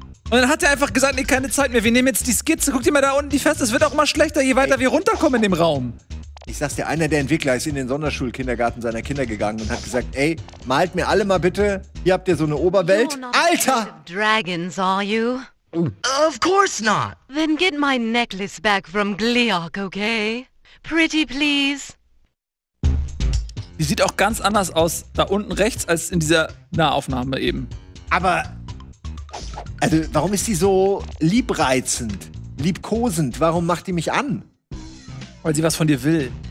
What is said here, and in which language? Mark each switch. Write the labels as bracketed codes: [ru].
[de] Und dann hat er einfach gesagt, nee, keine Zeit mehr, wir nehmen jetzt die Skizze, guck dir mal da unten die Fest, es wird auch immer schlechter, je weiter wir runterkommen in dem Raum. Ich sag's dir, einer der Entwickler ist in den Sonderschulkindergarten seiner Kinder gegangen und hat gesagt, ey, malt mir alle mal bitte, hier habt ihr so eine Oberwelt. Alter! [en] Dragons, are you? Of course not. Then get my necklace back from Gliok, okay? Pretty please. [de] Die sieht auch ganz anders aus da unten rechts als in dieser Nahaufnahme eben. Aber... Also, warum ist die so liebreizend, liebkosend? Warum macht die mich an? Weil sie was von dir will.